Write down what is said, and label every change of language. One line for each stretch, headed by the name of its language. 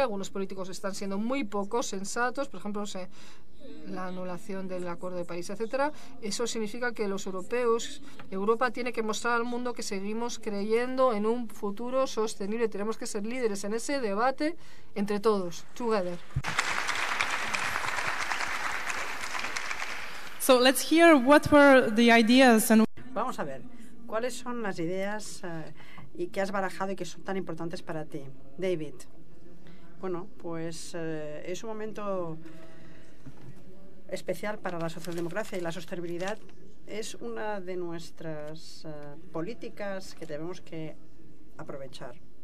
Spanish: Algunos políticos están siendo muy poco sensatos, por ejemplo, la anulación del Acuerdo de París, etcétera. Eso significa que los europeos, Europa tiene que mostrar al mundo que seguimos creyendo en un futuro sostenible. Tenemos que ser líderes en ese debate entre todos.
English: Together. So let's hear what were the ideas and...
Spanish: Vamos a ver. ¿Cuáles son las ideas y que has barajado y que son tan importantes para ti, David? Bueno, pues es un momento especial para la socialdemocracia y la sostenibilidad es una de nuestras políticas que tenemos que aprovechar.